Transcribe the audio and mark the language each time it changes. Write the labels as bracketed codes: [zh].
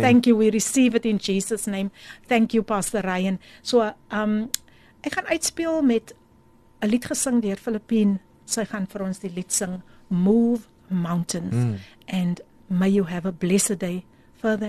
[en] Thank you. We receive it in Jesus' name. Thank you, Pastor Ryan. [af] So, ek gaan uitspeel met 'n lied gesing deur Filippine. Sy gaan vir ons die lied sing, Move Mountains. Mm. [en] And may you have a blessed day further.